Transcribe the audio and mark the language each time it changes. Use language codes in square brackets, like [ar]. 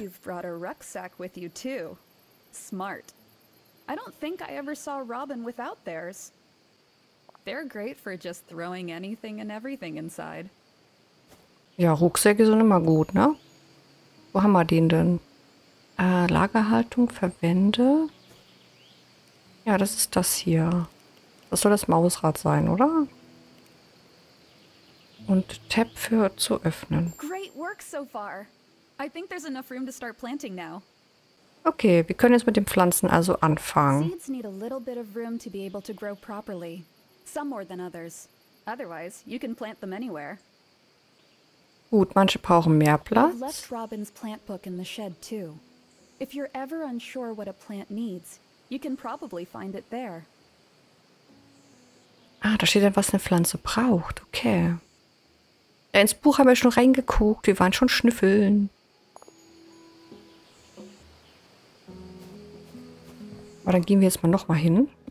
[en] you've brought a rucksack with you too. Smart. I don't think I ever saw Robin without theirs. They're great for just throwing anything and everything inside. [de] Ja, Rucksäcke sind immer gut, ne? Wo haben wir den denn? Lagerhaltung, verwende. Ja, das ist das hier. Das soll das Mausrad sein, oder? Und Tab für zu öffnen. [en] Great work so far. I think there's enough room to start planting now. [de] Okay, wir können jetzt mit den Pflanzen also anfangen. [en] Seeds need a little bit of room to be able to grow properly. Some more than others. Otherwise, you can plant them anywhere. [de] Gut, manche brauchen mehr [en] I've left [de] Platz. [en] Robin's plant book in the shed too. If you're ever unsure what a plant needs, you can probably find it there. [de] Ah, da steht dann, was eine Pflanze braucht. Okay. Ja, ins Buch haben wir schon reingeguckt. Wir waren schon schnüffeln. Aber dann gehen wir jetzt mal nochmal hin.